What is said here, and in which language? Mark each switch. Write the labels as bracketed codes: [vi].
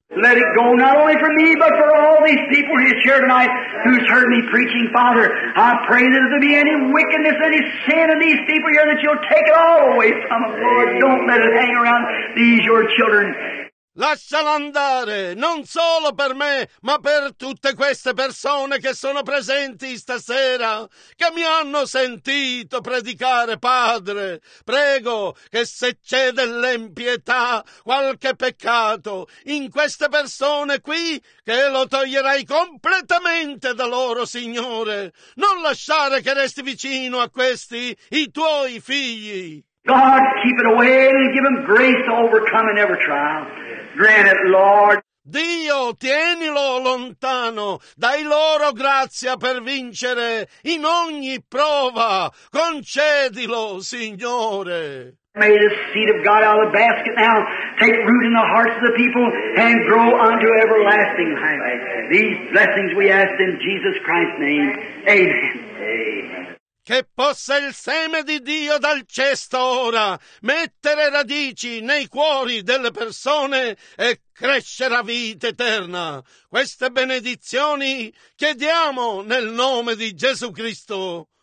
[en] Let it go not only for me, but for all these people here tonight who's heard me preaching, Father. I pray that if there be any wickedness, any sin in these people here, that you'll take it all away from them, Lord. Don't let it hang around these your children. [it] Lasciala andare, non solo per me, ma per tutte queste persone che sono presenti stasera, che mi hanno sentito predicare, Padre. Prego che se c'è dell'impietà, qualche peccato, in queste persone qui, che lo toglierai completamente da loro, Signore. Non lasciare che resti vicino a questi, i tuoi figli. [en] God, keep it away and give them grace to overcome in every trial. Grant it, Lord. [it] Dio, tienilo lontano. Dai loro grazia per vincere in ogni prova. Concedilo, Signore. [en] May the seed of God out of the basket now take root in the hearts of the people and grow unto everlasting life. These blessings we ask in Jesus Christ's name. Amen. Amen. [it] Che possa il seme di Dio dal cesto ora mettere radici nei cuori delle persone e crescere a vita eterna. Queste benedizioni chiediamo nel nome di Gesù Cristo.